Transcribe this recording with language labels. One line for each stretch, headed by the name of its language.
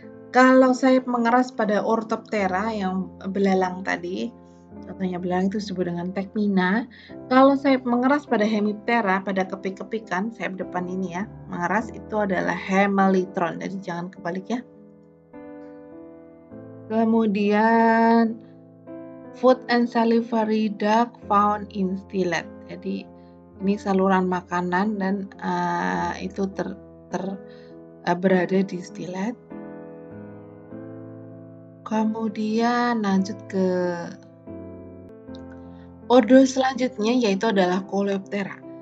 Indonesian: Kalau sayap mengeras pada Orthoptera yang belalang tadi, contohnya belalang itu disebut dengan tekmina. Kalau sayap mengeras pada Hemiptera, pada kepik-kepikan, sayap depan ini ya, mengeras itu adalah hemelitron. Jadi jangan kebalik ya.
English: Kemudian food and salivary duct found in stylet.
Indonesian: Jadi ini saluran makanan dan itu berada di stylet. Kemudian lanjut ke ordo selanjutnya yaitu adalah Coleoptera.